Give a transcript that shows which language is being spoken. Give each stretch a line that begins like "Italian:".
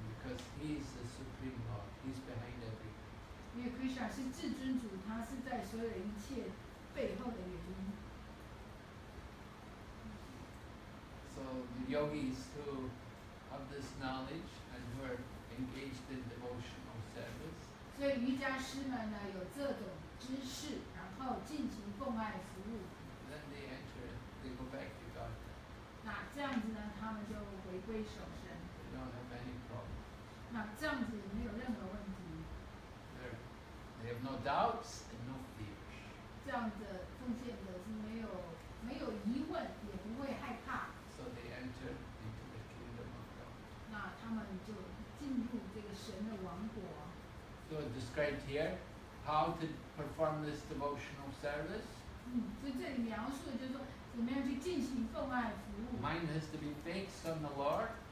English: Because he is the supreme lord, he's behind everything.
Chinese: 因为 Krishna 是至尊主，他是在所有一切背后的原因。
English: So the yogis who have this knowledge and who are engaged in devotional service.
Chinese: 所以瑜伽师们呢有这种知识，然后进行奉爱服务。
English: Then they enter, they go back to God.
Chinese: 那这样子呢，他们就回归守身。
English: They don't have any problem.
Chinese: 那这样子也没有任何问题。
English: They have no doubts and no fears.
Chinese: 这样的奉献者是没有疑问，也不会害怕。
English: So they enter into the kingdom of God.
Chinese: 那他们就进入这个神的王国。
English: So it's described here how to perform this devotional service.
Chinese: 所以这里描述的就是说怎么样去进行奉爱服务。
English: Mind has to be fixed on the Lord.